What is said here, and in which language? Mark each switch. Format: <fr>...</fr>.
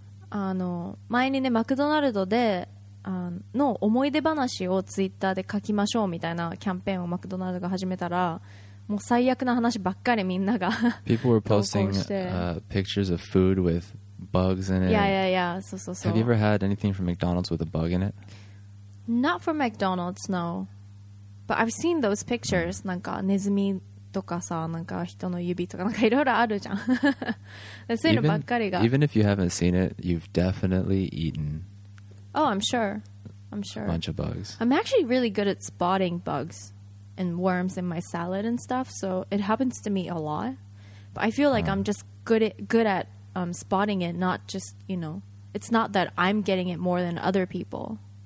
<ja>あの前にねマクドナルドでの思い出話をツイッターで書きましょうみたいなキャンペーンをマクドナルドが始めたらもう最悪な話ばっかりみんなが</ja> <en>People were posting pictures of food with bugs in it. Yeah, yeah, yeah.</en> <ja>そうそうそう</ja> <en>Have you ever had anything from McDonald's with a bug in it? Not from McDonald's, no. But I've seen those pictures.</en> <ja>なんかネズミとかさなんか人の指とかなんかいろいろあるじゃんそういうのばっかりが</ja> <en>even if you haven't seen it you've definitely eaten oh I'm sure a bunch of bugs I'm actually really good at spotting bugs and worms in my salad and stuff. So it happens to me a lot. But I feel like I'm just good at spotting it, not just, you know, it's not that I'm getting it more than other people.</en>